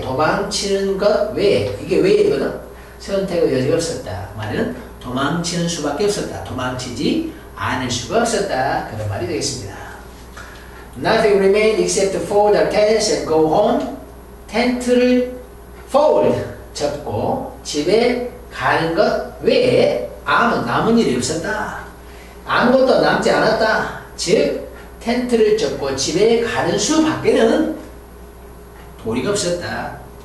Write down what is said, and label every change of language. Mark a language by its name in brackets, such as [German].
[Korean] 도망치는 것 외에, 이게 외에거든. 선택의 여지가 없었다. 그 말은 도망치는 수밖에 없었다. 도망치지 않을 수가 없었다. 그런 말이 되겠습니다. [English] Nothing remained except to fold our tents and go home. [Korean] 텐트를 fold, 접고 집에 가는 것 외에 아무 남은 일이 없었다. 아무것도 남지 않았다. 즉, 텐트를 접고 집에 가는 수밖에는 도리가 없었다.